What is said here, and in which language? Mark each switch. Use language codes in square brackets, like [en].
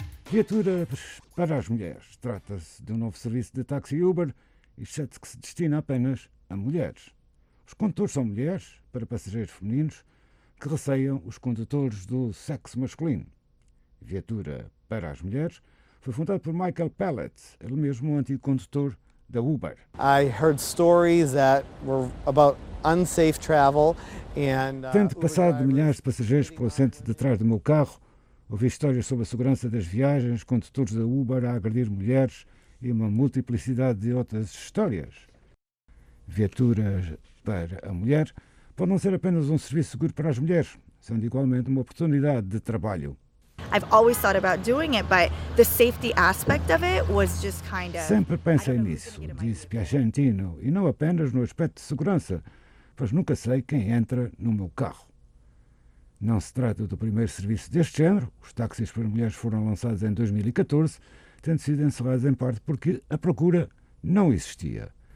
[pt] Viatura para as mulheres. Trata-se de um novo serviço de táxi Uber, exceto que se destina apenas a mulheres. Os condutores são mulheres, para passageiros femininos, que receiam os condutores do sexo masculino. Viatura para as mulheres foi fundada por Michael Pellet, ele mesmo um antigo condutor da Uber. [en] I heard stories that were about unsafe travel and [pt] tendo passado milhares de passageiros pelo assento de trás do meu carro, ouvi histórias sobre a segurança das viagens, condutores da Uber a agredir mulheres e uma multiplicidade de outras histórias. Viaturas para a mulher pode não ser apenas um serviço seguro para as mulheres, sendo igualmente uma oportunidade de trabalho. [en] I've always thought about doing it, but the safety aspect of it was just kind of. [pt] Sempre pensei nisso, disse Piacentino, e não apenas no aspecto de segurança, pois nunca sei quem entra no meu carro. Não se trata do primeiro serviço deste género. Os táxis para mulheres foram lançados em 2014, tendo sido encerrados em parte porque a procura não existia.